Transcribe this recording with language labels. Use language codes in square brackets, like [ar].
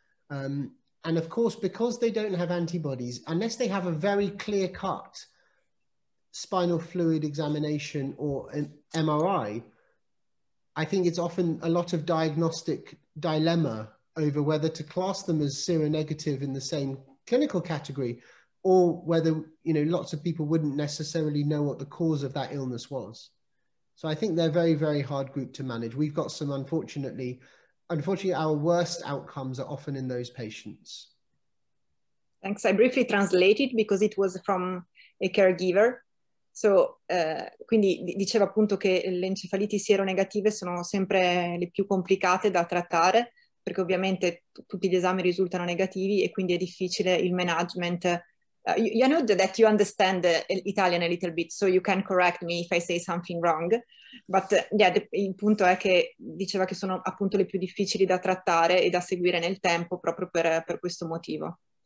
[en] And of course, because they don't have antibodies, unless they have a very clear-cut spinal fluid examination or an MRI, I think it's often a lot of diagnostic dilemma over whether to class them as seronegative in the same clinical category, or whether, you know, lots of people wouldn't necessarily know what the cause of that illness was. So I think they're a very, very hard group to manage. We've got some, unfortunately, our worst outcomes are often in those patients. Thanks. I briefly translated because it was from a caregiver. [it] So, quindi diceva appunto che le encefaliti sieronegative sono sempre le più complicate da trattare, perché ovviamente tutti gli esami risultano negativi e quindi è difficile il management. [en] You know that you understand Italian a little bit, so you can correct me if I say something wrong. [it] But il punto è che diceva che sono appunto le più difficili da trattare e da seguire nel tempo proprio per questo motivo.